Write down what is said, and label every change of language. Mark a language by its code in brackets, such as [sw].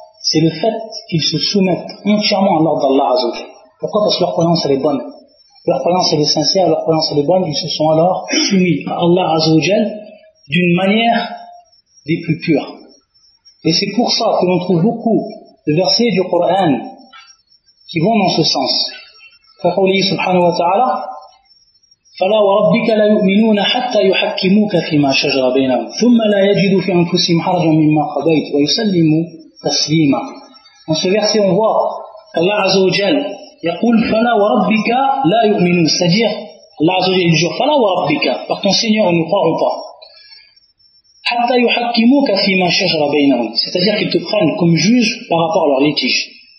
[fr] C'est le fait qu'ils se soumettent entièrement à l'ordre d'Allah Azza wa Jalla. Pourquoi? Parce que leur croyance elle est bonne. Leur croyance elle est sincère, leur croyance elle est bonne, ils se sont alors soumis à Allah Azza wa Jalla d'une manière des plus pures. Et c'est pour ça que l'on trouve beaucoup de versets du Coran qui vont dans ce sens. Faqouli subhanahu wa ta'ala, [ar] فَلَا وَرَبِّكَ لَيُؤْمِنُونَ حَتَّى يُحَكِّمُوكَ فِي مَا شَجْرَ بَيْنَهُمْ ثُمَّ لَا يَجِدُوا فِي أَنفُسِهِمْ حَرَجًا مِمَّا قَضَيْتَ وَيُسَلِّمُوا تَسْلِيمًا. [fr] Dans ce verset, on voit Allah Azza wa Jal [ar] يقول فَلَا وَرَبِّكَ لَا يُؤْمِنُونَ, [fr] c'est-à-dire Allah Azza wa Jal dit [ar] فَلَا وَرَبِّكَ, [fr] par ton Seigneur, nous croirons pas. [ar] حَتَّى يُحَكِّمُوكَ فِي مَا شَجْرَ بَيْنَهُمْ, [fr] c'est-à-dire qu'ils te prennent comme juge par rapport à leur litige.